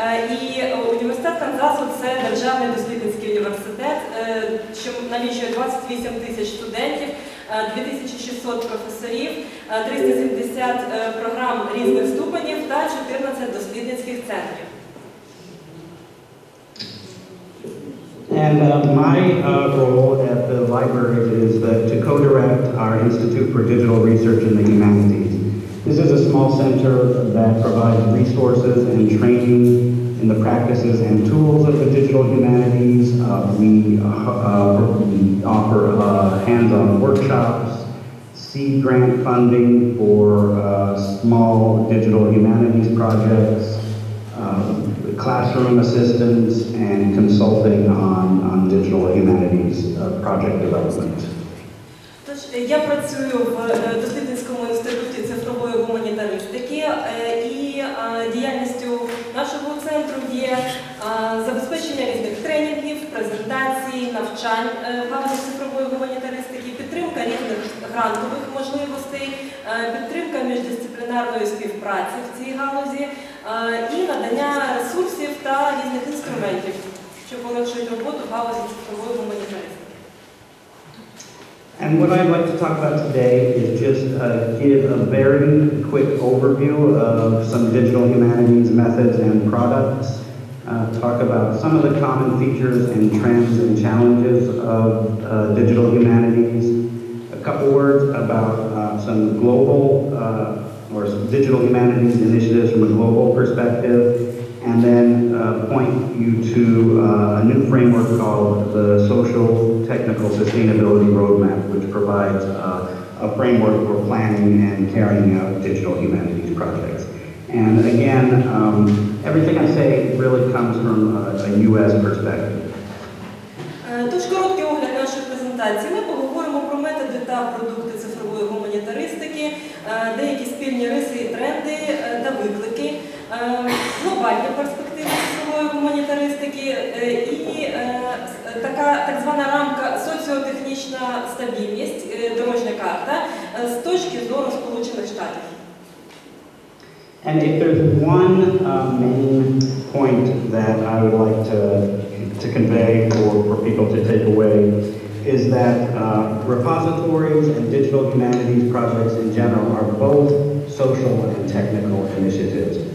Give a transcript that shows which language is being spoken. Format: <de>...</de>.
<uk>І університет Канзасу – це державний дослідницький університет, що налічує 28 тисяч студентів, 2600 професорів, 370 програм різних ступенів та 14 дослідницьких центрів.</uk> <en>And my role at the library is to co-direct our Institute for Digital Research in the Humanities. This is a small center that provides resources and training in the practices and tools of the digital humanities. We offer hands-on workshops, seed grant funding for small digital humanities projects, classroom assistance and consulting on digital humanities project development.</en> <uk>Тож я працюю в дослідницькому інституті цифрової гуманітаристики, і діяльністю нашого центру є забезпечення різних тренінгів, презентацій, навчань галузі цифрової гуманітаристики, підтримка різних грантових можливостей, підтримка міждисциплінарної співпраці в цій галузі. І надання ресурсів та різних інструментів, щоб полегшити роботу галузі цифрової гуманітаристики.</uk> <en>And what I'd like to talk about today is just give a very quick overview of some digital humanities methods and products, talk about some of the common features and trends and challenges of digital humanities, a couple words about some global or some digital humanities initiatives from a global perspective, and then point you to a new framework called the Social Technical Sustainability Roadmap, which provides a framework for planning and carrying out digital humanities projects. And again, everything I say really comes from a U.S. perspective.</en> <uk>Дуже короткий огляд нашої презентації. Ми поговоримо про методи та продукти цифрової гуманітаристики, деякі спільні риси і тренди та виклики, глобальні перспективи цифрової гуманітаристики і така так звана рамка соціотехнічна стабільність, дорожня карта з точки зору Сполучених Штатів.</uk> <en>And if there's one main point that I would like to convey for people to take away is that repositories and digital humanities projects in general are both social and technical initiatives.</en>